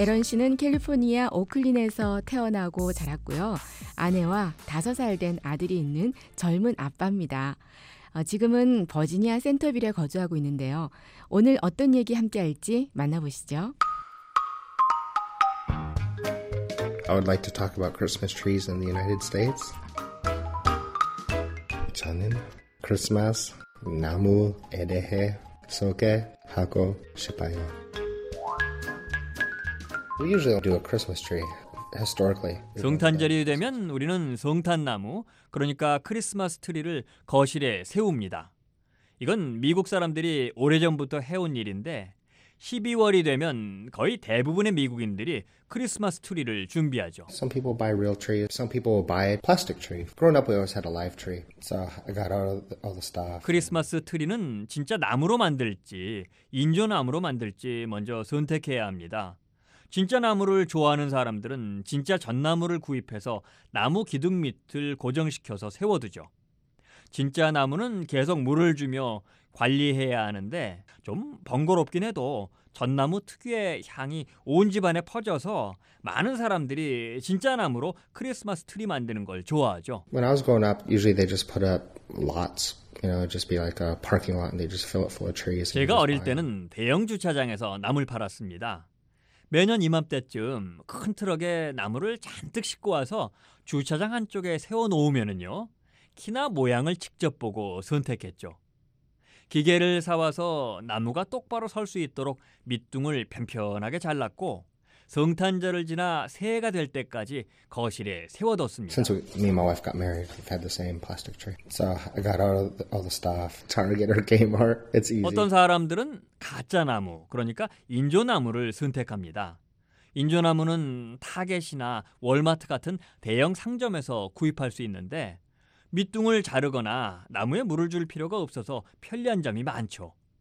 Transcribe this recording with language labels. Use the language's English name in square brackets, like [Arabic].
[Korean] 에런 씨는 캘리포니아 오클린에서 태어나고 자랐고요. 아내와 5살 된 아들이 있는 젊은 아빠입니다. 지금은 버지니아 센터빌에 거주하고 있는데요. 오늘 어떤 얘기 함께 할지 만나보시죠. [English] I would like to talk about Christmas trees in the United States. [Korean] 저는 크리스마스 나무에 대해 소개하고 싶어요. [English] We usually do a Christmas tree historically. [Korean] 성탄절이 되면 우리는 성탄나무, 그러니까 크리스마스 트리를 거실에 세웁니다. 이건 미국 사람들이 오래전부터 해온 일인데 12월이 되면 거의 대부분의 미국인들이 크리스마스 트리를 준비하죠. [English] Some people buy real trees. Some people buy plastic trees. Growing up, we always had a live tree. So I got all the stuff. [Korean] 크리스마스 트리는 진짜 나무로 만들지 인조나무로 만들지 먼저 선택해야 합니다. 진짜 나무를 좋아하는 사람들은 진짜 전나무를 구입해서 나무 기둥 밑을 고정시켜서 세워두죠. 진짜 나무는 계속 물을 주며 관리해야 하는데 좀 번거롭긴 해도 전나무 특유의 향이 온 집안에 퍼져서 많은 사람들이 진짜 나무로 크리스마스 트리 만드는 걸 좋아하죠. [English] When I was growing up, usually they just put up lots, you know, just be like a parking lot and they just fill it full of trees. [Korean] 제가 어릴 때는 대형 주차장에서 나물 팔았습니다. 매년 이맘때쯤 큰 트럭에 나무를 잔뜩 싣고 와서 주차장 한쪽에 세워 놓으면은요. 키나 모양을 직접 보고 선택했죠. 기계를 사와서 나무가 똑바로 설 수 있도록 밑둥을 편편하게 잘랐고 성탄절을 지나 새해가 될 때까지 거실에 세워뒀습니다. [English] Since me and my wife got married, we've had the same plastic tree. So I got all the stuff. Target or Kmart, it's easy. [Korean] 어떤 사람들은 가짜 나무, 그러니까 인조나무를 선택합니다. 인조나무는 타겟이나 월마트 같은 대형 상점에서 구입할 수 있는데 밑둥을 자르거나 나무에 물을 줄 필요가 없어서 편리한 점이 많죠.